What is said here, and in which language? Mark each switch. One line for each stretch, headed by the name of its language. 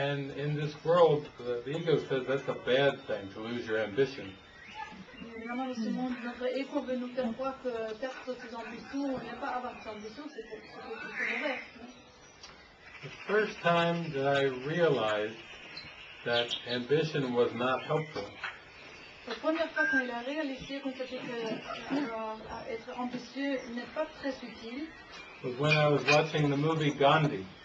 English: And in this world, the ego says that's a bad thing to lose your ambition.
French: évidemment, dans ce monde, notre ego veut nous faire croire que perdre ses ambitions, on n'est pas avoir ses ambitions, c'est pour tout
English: The first time that I realized that ambition was not helpful.
French: La première fois qu'on a réalisé qu'on savait que être ambitieux n'est pas très utile.
English: Was when I was watching the movie Gandhi.